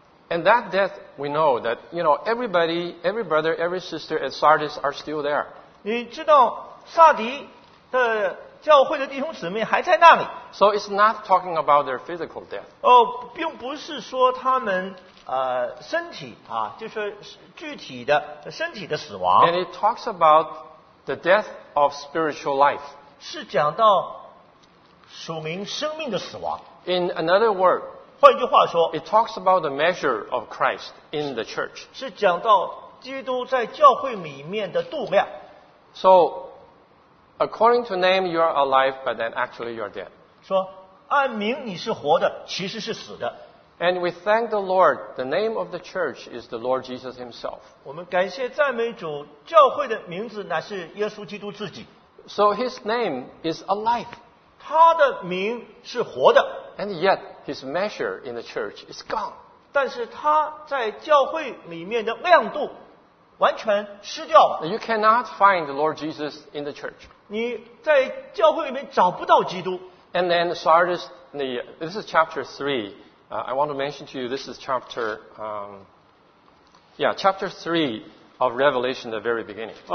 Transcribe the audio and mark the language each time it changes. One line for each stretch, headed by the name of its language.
English: And that death, we know that, you know, everybody, every brother, every sister at Sardis are still there.
Chinese: 你知道撒迪的教会的弟兄姊妹还在那里。
English: So it's not talking about their physical death.
Chinese: 并不是说他们身体啊，就是具体的身体的死亡。
English: And it talks about the death of spiritual life.
Chinese: 是讲到属灵生命的死亡。
English: In another word,
Chinese: 换句话说，
English: It talks about the measure of Christ in the church.
Chinese: 是讲到基督在教会里面的度量。
English: So, according to name, you are alive, but then actually you are dead.
Chinese: 说，按名你是活的，其实是死的。
English: And we thank the Lord, the name of the church is the Lord Jesus himself.
Chinese: 我们感谢赞美主，教会的名字乃是耶稣基督自己。
English: So his name is alive.
Chinese: 他的名是活的。
English: And yet, his measure in the church is gone.
Chinese: 但是他在教会里面的亮度完全失掉了。
English: You cannot find the Lord Jesus in the church.
Chinese: 你在教会里面找不到基督。
English: And then Sardis, this is chapter 3. I want to mention to you, this is chapter 3 of Revelation, the very beginning.